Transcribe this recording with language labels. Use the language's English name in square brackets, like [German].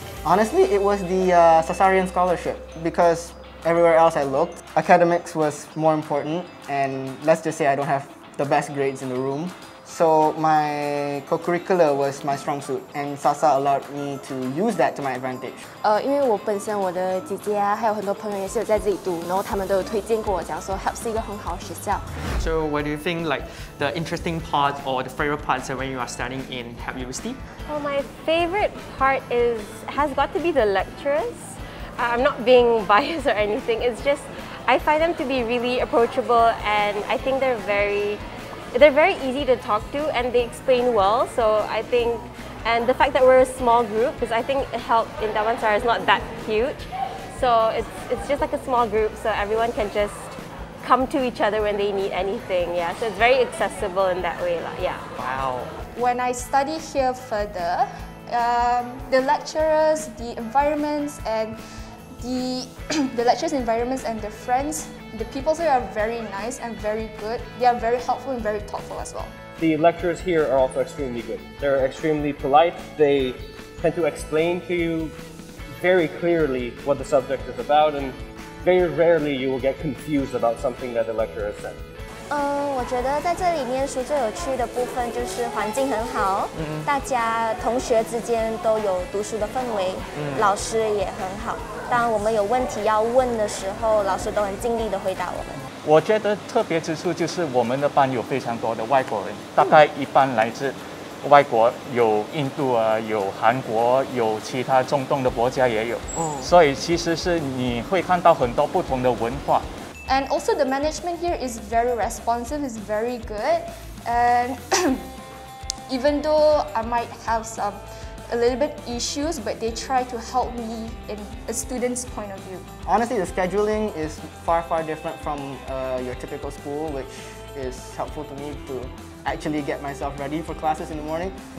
[English] Honestly, it was the Caesarian scholarship because everywhere else I looked, academics was more important, and let's just say I don't have the best grades in the room. So my co-curricular was my strong suit, and Sasa allowed me to use that to my advantage. [Chinese] 因为我本身我的姐姐啊，还有很多朋友也是有在这里读，然后他们都有推荐过我，讲说 Help 是一个很好的学校。 [English] So what do you think, like the interesting part or the favorite parts when you are studying in Help University? Well, my favorite part has got to be the lecturers. I'm not being biased or anything. It's just I find them to be really approachable, and I think they're very easy to talk to, and they explain well. So I think, and the fact that we're a small group, because I think Help in Damansara is not that huge. So it's just like a small group, so everyone can just come to each other when they need anything. Yeah, so it's very accessible in that way. Yeah. Wow. When I study here further, the lecturers, the environments, andthe lectures environments and the friends, the people here are very nice and very good. They are very helpful and very thoughtful as well. The lecturers here are also extremely good. They're extremely polite. They tend to explain to you very clearly what the subject is about, and very rarely you will get confused about something that the lecturer has said. [Chinese] 我觉得在这里念书最有趣的部分就是环境很好，大家同学之间都有读书的氛围，老师也很好。当我们有问题要问的时候，老师都很尽力地回答我们。我觉得特别之处就是我们的班有非常多的外国人，大概一半来自外国，有印度啊，有韩国，有其他中东的国家也有。所以其实是你会看到很多不同的文化。 [English] And also the management here is very responsive, is very good. And even though I might have a little bit issues, but they try to help me in a student's point of view. Honestly, the scheduling is far, far different from your typical school, which is helpful to me to actually get myself ready for classes in the morning.